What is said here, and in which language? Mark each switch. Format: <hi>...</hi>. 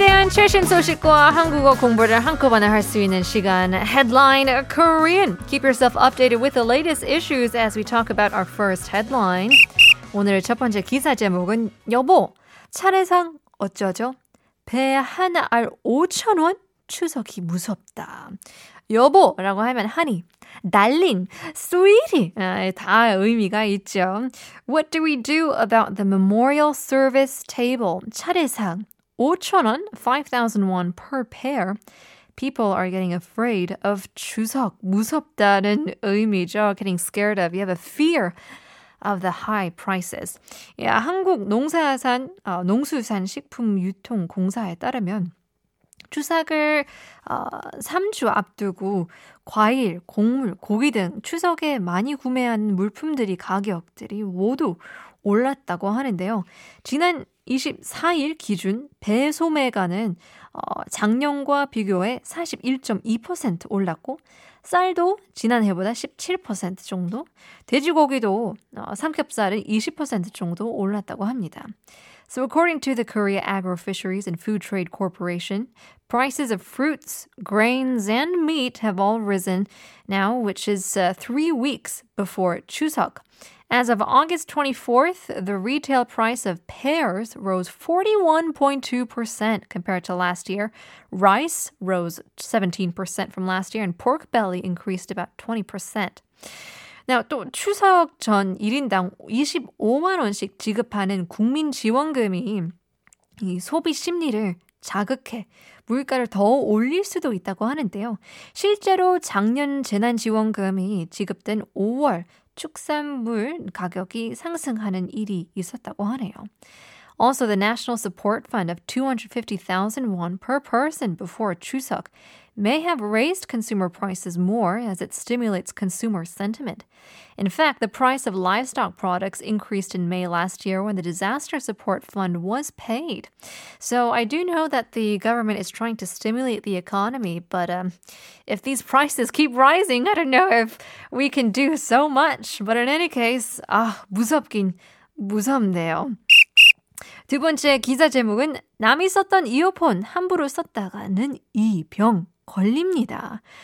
<ko>최신 소식과 한국어 공부를 한꺼번에 할 수 있는 시간 Headline Korean.</ko> <en>Keep yourself updated with the latest issues as we talk about our first headline.</en> <ko>오늘 첫 번째 기사 제목은 여보, 차례상 어쩌죠? 배 한 알 5천 원? 추석이 무섭다. 여보라고 하면</ko> <en>honey, darling, sweetie</en> <ko>다 의미가 있죠.</ko> <en>What do we do about the memorial service table? 차례상 5,000 won, 5,000 won per pair. People are getting afraid of 추석.</en> <ko>무섭다는 의미죠.</ko> <en>Getting scared of. You have a fear of the high prices.</en> <ko>Yeah, 한국 농사산, 농수산식품유통공사에 따르면 추석을 3주 앞두고 과일, 곡물, 고기 등 추석에 많이 구매한 물품들이 가격들이 모두 올랐다고 하는데요. 지난 24일 기준 배 소매가는 작년과 비교해 41.2% 올랐고 쌀도 지난해보다 17% 정도, 돼지고기도 삼겹살은 20% 정도 올랐다고 합니다.</ko> <en>So according to the Korea Agro-Fisheries and Food Trade Corporation, prices of fruits, grains, and meat have all risen now, which is 3 weeks before 추석. As of August 24th, the retail price of pears rose 41.2% compared to last year. Rice rose 17% from last year, and pork belly increased about 20%.</en> <ko>Now, 또 추석 전 1인당 25만 원씩 지급하는 국민 지원금이 이 소비 심리를 자극해 물가를 더 올릴 수도 있다고 하는데요. 실제로 작년 재난지원금이 지급된 5월 축산물 가격이 상승하는 일이 있었다고 하네요.</ko> <en>Also, the National Support Fund of 250,000 won per person before 추석 may have raised consumer prices more as it stimulates consumer sentiment. In fact, the price of livestock products increased in May last year when the Disaster Support Fund was paid. So I do know that the government is trying to stimulate the economy, but if these prices keep rising, I don't know if we can do so much. But in any case,</en> <ko>무섭긴 무섭네요. 두 번째 기사 제목은 남이 썼던 이어폰 함부로 썼다가는 이 병 걸립니다.</ko>